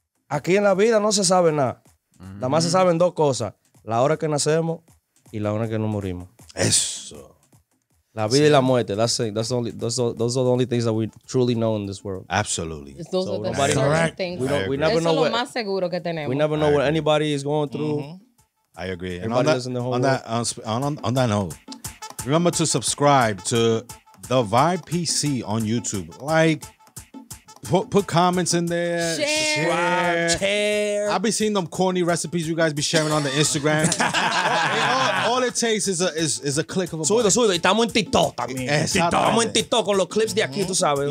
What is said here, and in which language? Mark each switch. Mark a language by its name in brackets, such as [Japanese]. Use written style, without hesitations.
[Spanish] Aquí en la vida no se sabe nada. Mm-hmm. Nada más se saben dos cosas. La hora que nacemos y la hora que nos morimos. Eso. La vida sí. Y la muerte. [English] Those are the only things that we truly know in this world. Absolutely. It's those so are the certain things. We never [Spanish] eso [English] know [Spanish] lo [English] what, [Spanish] más seguro que tenemos. [English] We never know what anybody is going through. Mm-hmm. I agree. And on that note, remember to subscribe to The Vibe PC on YouTube. Like, Put comments in there. Share. I'll be seeing them corny recipes you guys be sharing on the Instagram. all it takes is a click of a button. [Spanish] Suido. Estamos en TikTok también. Estamos en TikTok con los clips de aquí, tú sabes.